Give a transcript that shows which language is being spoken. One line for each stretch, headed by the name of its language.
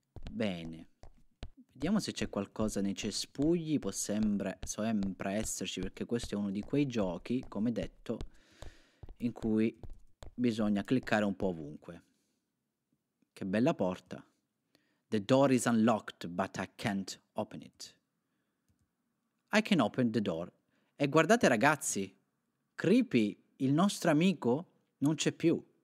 Italian: Bene. Vediamo se c'è qualcosa nei cespugli. Può sempre esserci, perché questo è uno di quei giochi, come detto, in cui bisogna cliccare un po' ovunque. Che bella porta.
English: The door is unlocked, but I can't open it. I can open the door.
Italian: E guardate, ragazzi, Creepy, il nostro amico, non c'è più.